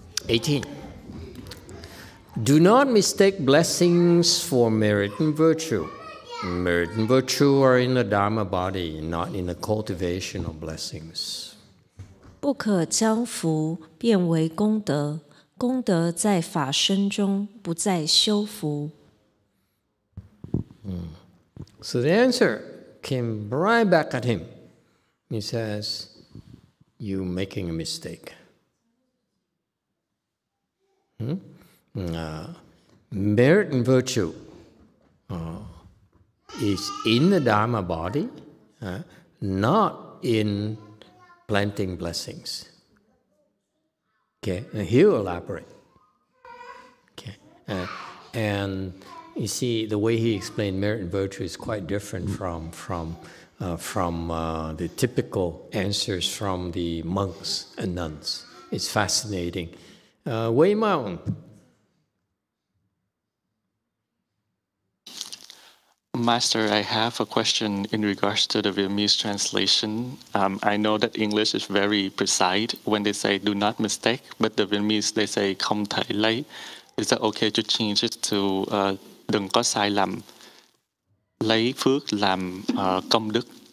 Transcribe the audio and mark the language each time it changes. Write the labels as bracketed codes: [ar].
[en] 18. Do not mistake blessings for merit and virtue. Merit and virtue are in the Dharma body, not in the cultivation of blessings. [zh] 不可将福变为功德。功德在法身中,不在修福。 [en] So the answer came right back at him. He says, you're making a mistake. Merit and virtue is in the Dharma body, not in planting blessings. Okay, and he'll elaborate. Okay, and you see the way he explained merit and virtue is quite different from the typical answers from the monks and nuns. It's fascinating. Wei Meng. Master, I have a question in regards to the Vietnamese translation. I know that English is very precise when they say do not mistake, but the Vietnamese, they say [vi] không thể lấy. [en] Is that okay to change it to [vi] đừng có sai lầm, lấy phước làm công đức?